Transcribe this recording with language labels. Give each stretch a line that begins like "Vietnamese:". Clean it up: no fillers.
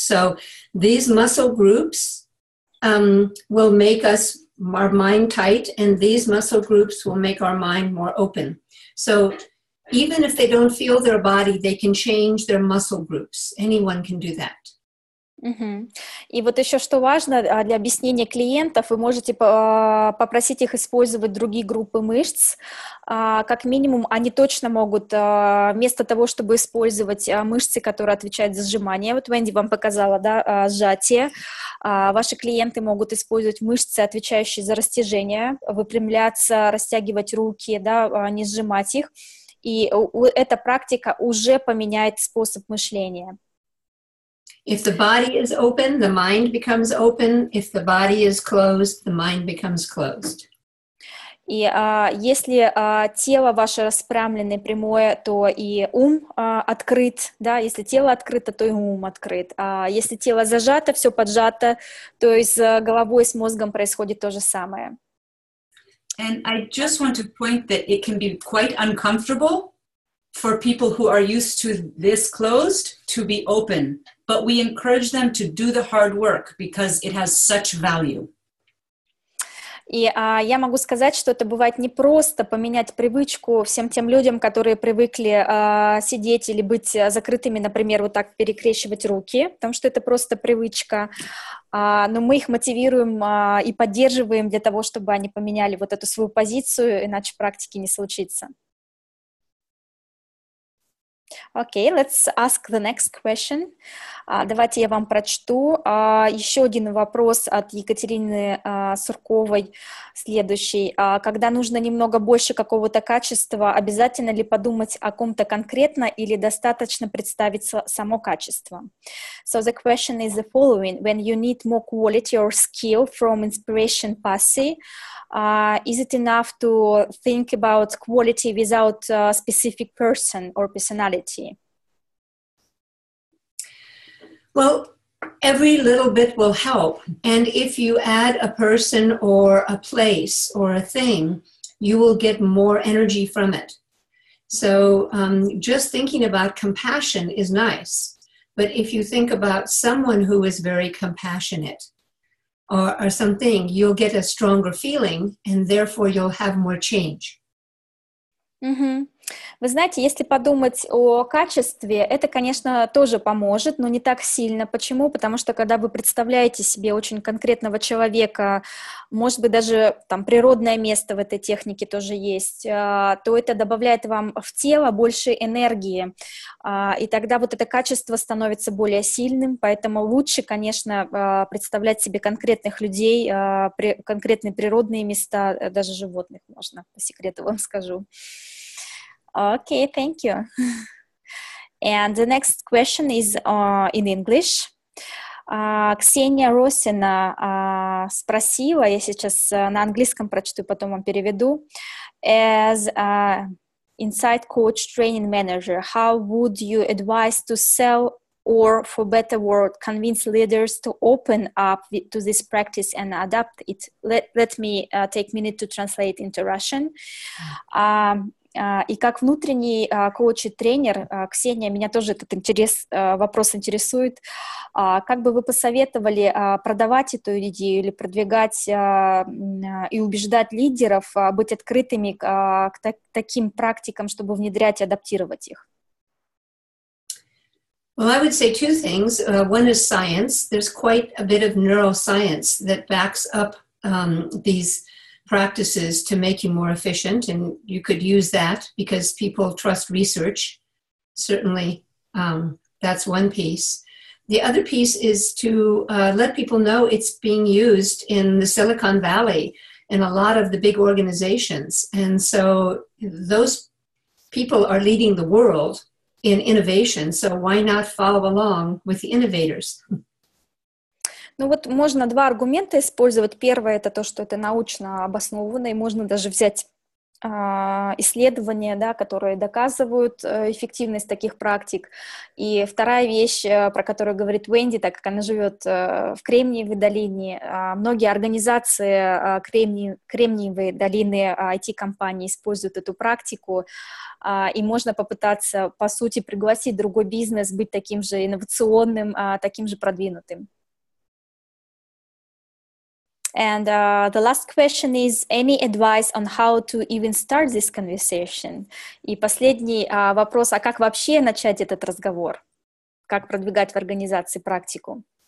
English: So these muscle groups will make us our mind tight, and these muscle groups will make our mind more open. So even if they don't feel their body, they can change their muscle groups. Anyone can do that. Угу.
Russian: И вот еще что важно для объяснения клиентов, вы можете попросить их использовать другие группы мышц. Как минимум, они точно могут вместо того, чтобы использовать мышцы, которые отвечают за сжимание, вот Венди вам показала, да, сжатие, ваши клиенты могут использовать мышцы, отвечающие за растяжение, выпрямляться, растягивать руки, да, не сжимать их. И эта практика уже поменяет способ мышления.
English: If the body is open, the mind becomes open. If the body is closed, the mind becomes closed.
Russian: И если тело ваше распрямленное, прямое, то и ум открыт, да? Если тело открыто, то и ум открыт. Если тело зажато, все поджато, то и с головой, с мозгом происходит то же самое.
English: And I just want to point that it can be quite uncomfortable for people who are used to this closed to be open. But we encourage them to do the hard work because it has such value.
Russian: И я могу сказать, что это бывает непросто поменять привычку всем тем людям, которые привыкли сидеть или быть закрытыми, например, вот так перекрещивать руки, потому что это просто привычка. Но мы их мотивируем и поддерживаем для того, чтобы они поменяли вот эту свою позицию, иначе практики не случится.
English: Okay, let's ask the next question.
Russian: Давайте я вам прочту. Еще один вопрос от Екатерины Сурковой, следующий. Когда нужно немного больше какого-то качества, обязательно ли подумать о ком-то конкретно или достаточно представить само качество?
English: So the question is the following. When you need more quality or skill from inspiration passe, is it enough to think about quality without a specific person or personality? Well, every little bit will help. And if you add a person or a place or a thing, you will get more energy from it. So just thinking about compassion is nice. But if you think about someone who is very compassionate, or something, you'll get a stronger feeling, and therefore you'll have more change. Mm-hmm.
Russian: Вы знаете, если подумать о качестве, это, конечно, тоже поможет, но не так сильно. Почему? Потому что, когда вы представляете себе очень конкретного человека, может быть, даже там природное место в этой технике тоже есть, то это добавляет вам в тело больше энергии, и тогда вот это качество становится более сильным, поэтому лучше, конечно, представлять себе конкретных людей, конкретные природные места, даже животных можно, по секрету вам скажу.
English: Okay, thank you. And the next question is in English.
Russian: Ксения Росина спросила, я сейчас на английском прочту, потом вам переведу.
English: As an insight coach training manager, how would you advise to sell or, for better word, convince leaders to open up to this practice and adapt it? Let me take a minute to translate into Russian.
Russian: И как внутренний коуч и тренер, Ксения, меня тоже этот вопрос интересует. Как бы вы посоветовали продавать эту идею или продвигать и убеждать лидеров быть открытыми к таким практикам, чтобы внедрять и адаптировать их?
English: Well, I would say two things. One is science. There's quite a bit of neuroscience that backs up these practices to make you more efficient, and you could use that because people trust research. Certainly, that's one piece. The other piece is to let people know it's being used in the Silicon Valley in a lot of the big organizations. And so those people are leading the world in innovation, so why not follow along with the innovators?
Russian: Ну вот можно два аргумента использовать. Первое — это то, что это научно обоснованно, и можно даже взять исследования, да, которые доказывают эффективность таких практик. И вторая вещь, про которую говорит Венди, так как она живет в Кремниевой долине, многие организации Кремниевой долины, IT-компании используют эту практику, и можно попытаться, по сути, пригласить другой бизнес быть таким же инновационным, таким же продвинутым.
English: And the last question is, any advice on how to even start this conversation?
Russian: И последний вопрос, а как вообще начать этот разговор? Как продвигать в организации практику?